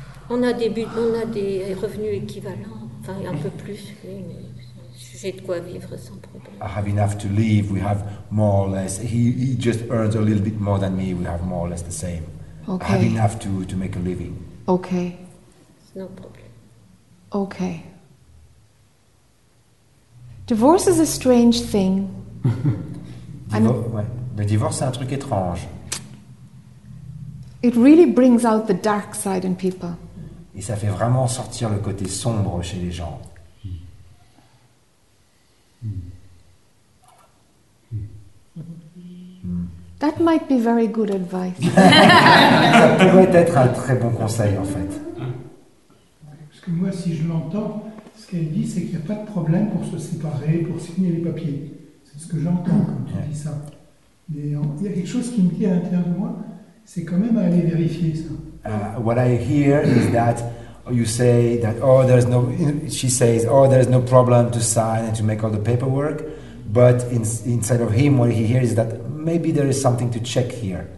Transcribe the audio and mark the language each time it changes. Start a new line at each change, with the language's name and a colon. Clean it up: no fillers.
French: On a des buts, on a des revenus équivalents, enfin un peu plus, oui, mais j'ai de quoi vivre sans problème.
English: I have enough to live, we have more or less. He just earns a little bit more than me, we have more or less the same. Okay. I have enough to make a living. Okay. No problem. Okay. Divorce is a strange thing.
French: Le divorce, c'est un truc étrange.
English: It really brings out the dark side in people.
French: Et ça fait vraiment sortir le côté sombre chez les gens.
English: That might be very good advice.
French: Ça pourrait être un très bon conseil, en fait. Parce que moi, si je l'entends, ce qu'elle dit, c'est qu'il n'y a pas de problème pour se séparer, pour signer les papiers. C'est ce que j'entends quand tu dis ça. Mais il y a quelque chose qui me dit à l'intérieur de moi. C'est quand même à aller vérifier ça.
English: What I hear is that you say that there's no problem to sign and to make all the paperwork, but inside of him, what he hears is that maybe there is something to check here.